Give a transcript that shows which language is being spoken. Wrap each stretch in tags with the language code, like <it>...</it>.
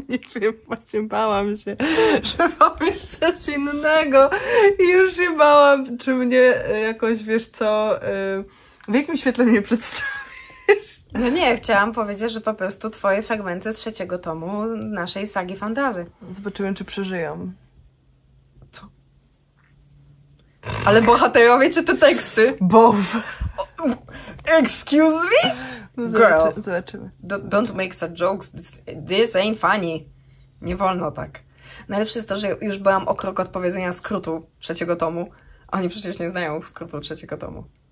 <pl>Nie wiem, właśnie bałam się, że powiesz coś innego i już się bałam, czy mnie jakoś, wiesz co, w jakim świetle mnie przedstawisz? No nie, chciałam powiedzieć, że po prostu twoje fragmenty z trzeciego tomu naszej sagi fantazy. Zobaczyłem, czy przeżyją. Co? Ale bohaterowie, czy te teksty?</pl> <en>Both. Excuse me?</en> <pl>Girl, zobaczymy.</pl> <en>Don't make such jokes, this ain't funny.</en> <pl>Nie wolno tak. Najlepsze jest to, że już byłam o krok od powiedzenia skrótu trzeciego tomu. Oni przecież nie znają skrótu trzeciego tomu.</pl>